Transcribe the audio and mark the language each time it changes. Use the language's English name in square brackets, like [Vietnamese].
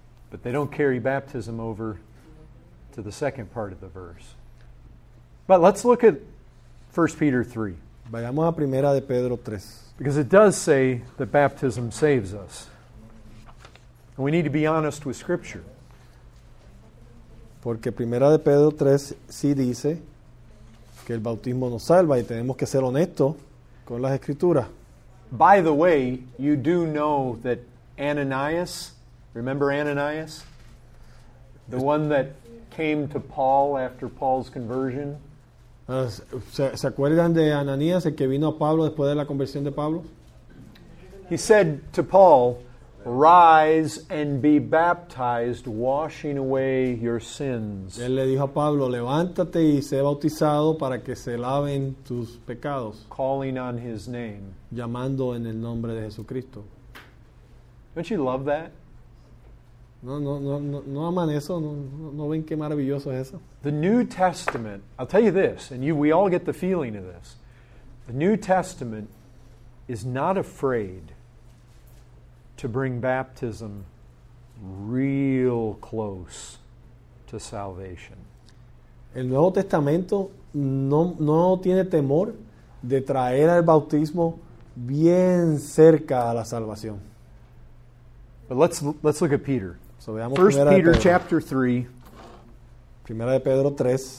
[English] But they don't carry baptism over to the second part of the verse. But let's look at 1 Peter 3. [Spanish] Vayamos a Primera de Pedro 3. [English] Because it does say that baptism saves us. And we need to be honest with Scripture. [Spanish] Porque Primera de Pedro 3 sí dice que el bautismo nos salva y tenemos que ser honestos con las Escrituras. [English] By the way, you do know that Ananias, remember Ananias? The one that came to Paul after Paul's conversion. [Spanish] ¿Se acuerdan de Ananías, el que vino a Pablo después de la conversión de Pablo? [English] He said to Paul, rise and be baptized, washing away your sins. [Spanish] Él le dijo a Pablo, levántate y sé bautizado para que se laven tus pecados. [English] Calling on his name. [Spanish] Llamando en el nombre de Jesucristo. [English] Don't you love that? [Spanish] No aman eso. No ven qué maravilloso es eso. [English] The New Testament, I'll tell you this, and we all get the feeling of this. The New Testament is not afraid to bring baptism real close to salvation. [Spanish] El Nuevo Testamento no tiene temor de traer al bautismo bien cerca a la salvación. [English] But let's look at Peter. So 1 Peter chapter 3. [Spanish] Primera de Pedro 3.